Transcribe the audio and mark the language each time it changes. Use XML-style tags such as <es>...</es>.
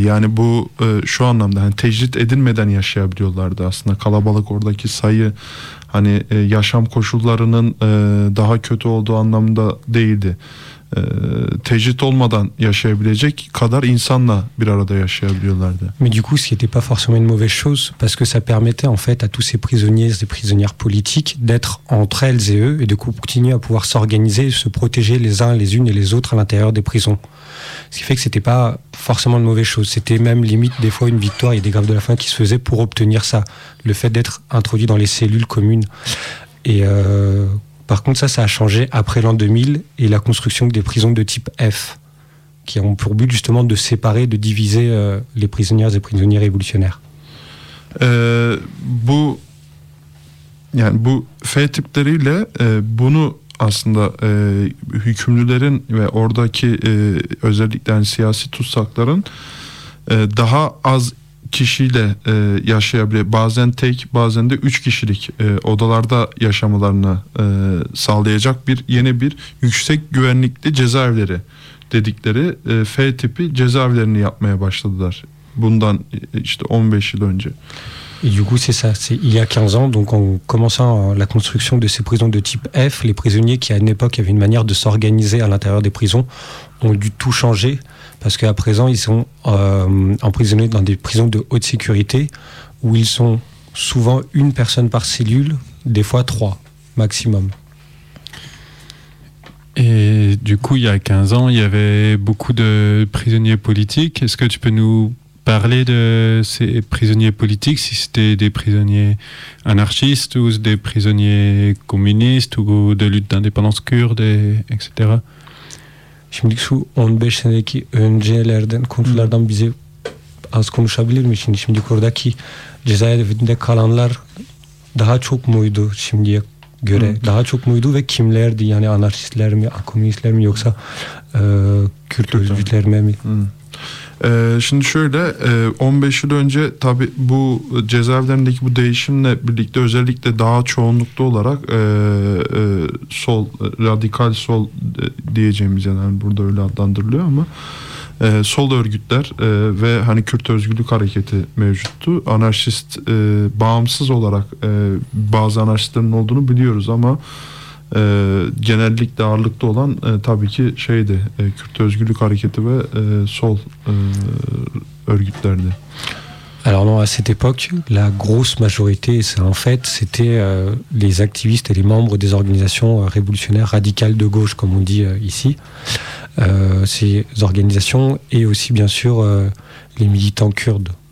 <tr>Yani bu şu anlamda hani tecrit edilmeden yaşayabiliyorlardı aslında. Kalabalık oradaki sayı hani yaşam koşullarının daha kötü olduğu anlamında değildi. Tecrit olmadan yaşayabilecek kadar insanla bir arada yaşayabiliyorlardı.</tr> <fr>Mais du coup, ce qui n'était pas forcément une mauvaise chose, parce que ça permettait en fait à tous ces prisonniers et prisonnières politiques d'être entre elles et eux, et de continuer à pouvoir s'organiser, se protéger les uns les unes et les autres à l'intérieur des prisons. Ce qui fait que ce n'était pas forcément une mauvaise chose. C'était même limite des fois une victoire. Il y a des grèves de la faim qui se faisaient pour obtenir ça, le fait d'être introduit dans les cellules communes. Et par contre, ça a changé après l'an 2000 et la construction des prisons de type F, qui ont pour but justement de séparer, de diviser les prisonnières et prisonniers révolutionnaires.</fr> <tr>Bu, yani bu F tipleriyle bunu aslında hükümlülerin ve oradaki özellikle yani siyasi tutsakların daha az kişiyle yaşayabilir, bazen tek bazen de üç kişilik odalarda yaşamalarını sağlayacak bir yeni bir yüksek güvenlikli cezaevleri dedikleri F tipi cezaevlerini yapmaya başladılar bundan işte 15 yıl önce.</tr> <fr>Et du coup, c'est ça. C'est il y a 15 ans, donc en commençant la construction de ces prisons de type F, les prisonniers qui à une époque avaient une manière de s'organiser à l'intérieur des prisons ont dû tout changer parce qu'à présent, ils sont emprisonnés dans des prisons de haute sécurité où ils sont souvent une personne par cellule, des fois trois maximum. Et du coup, il y a 15 ans, il y avait beaucoup de prisonniers politiques. Est-ce que tu peux nous parler de ces prisonniers politiques, si c'était des prisonniers anarchistes ou des prisonniers communistes ou de lutte d'indépendance kurde, etc.</fr> <tr>Şimdi şu 15 seneki öncelerden, konulardan bize az konuşabilir misin? Şimdi oradaki cezaevinde kalanlar daha çok muydu şimdiye göre? Hı. Daha çok muydu ve kimlerdi? Yani anarşistler mi, komünistler mi yoksa Kürt özgürlükler mi? Hı. Şimdi şöyle 15 yıl önce tabi bu cezaevlerindeki bu değişimle birlikte özellikle daha çoğunluklu olarak sol radikal sol diyeceğimiz yani burada öyle adlandırılıyor ama sol örgütler ve hani Kürt Özgürlük Hareketi mevcuttu. Anarşist bağımsız olarak bazı anarşistlerin olduğunu biliyoruz ama genellikle ağırlıklı olan tabii ki şeydi Kürt Özgürlük Hareketi ve sol örgütlerdi.</tr> <fr>Alors non, à cette époque, la grosse majorité, c'est en fait, c'était les activistes et les membres des organisations révolutionnaires radicales de gauche, comme on dit ici. Ces organisations et aussi bien sûr les militants kurdes.</fr>